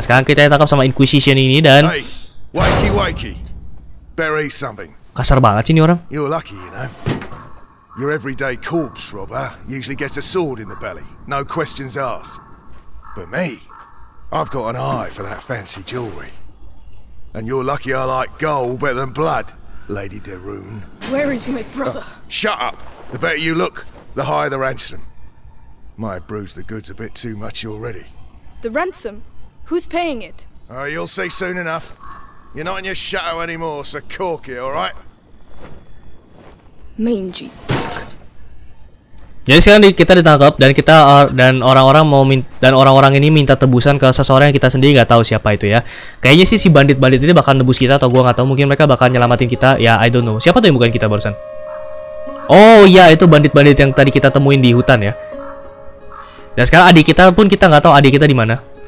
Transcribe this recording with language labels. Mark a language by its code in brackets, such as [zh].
[id] Sekarang kita ditangkap sama Inquisition ini dan [en] hey, wakey wakey. Bury something. [id] Kasar banget sih ini orang. [en] You're lucky, you know. Your everyday corpse robber usually gets a sword in the belly, no questions asked. But me, I've got an eye for that fancy jewelry. And you're lucky I like gold better than blood, Lady Derun. Where is my brother? Shut up! The better you look, the higher the ransom. Might have bruised the goods a bit too much already. The ransom? Who's paying it? You'll see soon enough. You're not in your shadow anymore, so cork it, all right? Mangy. [id] Jadi sekarang kita ditangkap dan kita orang-orang ini minta tebusan ke seseorang yang kita sendiri nggak tahu siapa itu ya. Kayaknya sih si bandit-bandit ini bakal nebus kita atau gua nggak tahu, mungkin mereka bakal nyelamatin kita. Ya [en] I don't know. [id] Siapa tuh yang bukan kita barusan? Oh iya, itu bandit-bandit yang tadi kita temuin di hutan ya. Dan sekarang adik kita pun kita nggak tahu adik kita di mana.